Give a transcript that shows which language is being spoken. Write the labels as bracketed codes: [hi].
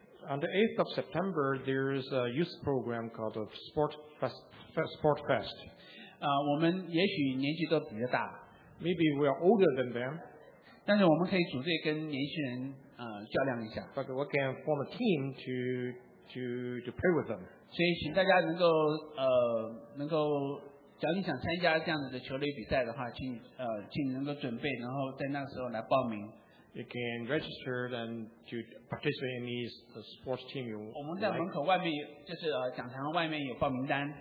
[en] On the 8th of September, there is a youth program called Sport Fest. [zh] 我们也许年纪都比较大。 [en] Maybe we are older than them. [zh] 但是我们可以组队跟年轻人较量一下。 [en] But we can form a team to to pray with them. [zh] 所以请大家能够能够，假如你想参加这样子的球类比赛的话，请请能够准备，然后在那时候来报名。 [en] You can register then to participate in these sports team. You [zh] 我们在门口外面，就是讲台外面有报名单。